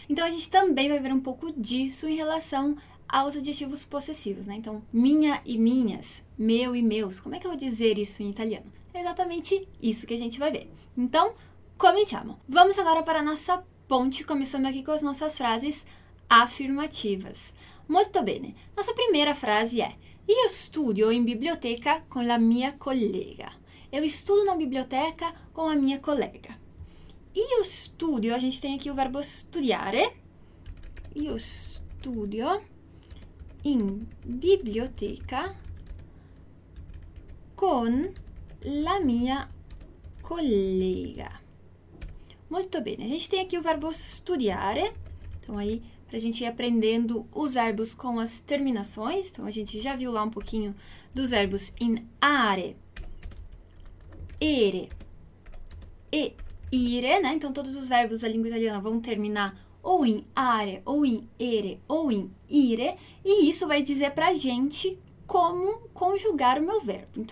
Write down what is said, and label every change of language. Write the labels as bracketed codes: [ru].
[pt] Então, a gente também vai ver um pouco disso em relação aos adjetivos possessivos, né? Então, minha e minhas, meu e meus. Como é que eu vou dizer isso em italiano? É exatamente isso que a gente vai ver. Então, [it] cominciamo. [pt] Vamos agora para a nossa ponte, começando aqui com as nossas frases afirmativas. [it] Molto bene. [pt] Nossa primeira frase é: [it] Io studio in biblioteca con la mia collega. [pt] Eu estudo na biblioteca com a minha colega. [it] Io studio, [pt] a gente tem aqui o verbo studiare. [it] Io studio in biblioteca con la mia collega. Molto bene, [pt] a gente tem aqui o verbo studiare. Então, aí, para a gente ir aprendendo os verbos com as terminações. Então, a gente já viu lá um pouquinho dos verbos in are, ere e ire, né? Então, todos os verbos da língua italiana vão terminar ou em are, ou em ere, ou em ire, e isso vai dizer para a gente como conjugar o meu verbo.